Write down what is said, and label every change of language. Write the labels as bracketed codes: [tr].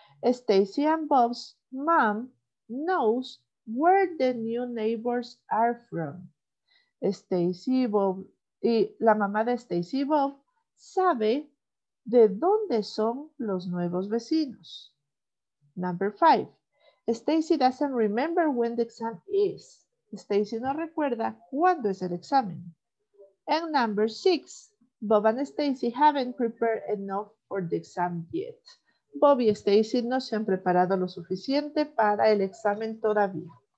[en] Stacy and Bob's mom knows where the new neighbors are from. [es] Stacy y Bob, y la mamá de Stacy y Bob sabe de dónde son los nuevos vecinos. [en] Number 5. Stacy doesn't remember when the exam is. [es] Stacy no recuerda cuándo es el examen. [en] And number 6. Bob and Stacy haven't prepared enough for the exam yet. [es] Bob y Stacy no se han preparado lo suficiente para el examen todavía.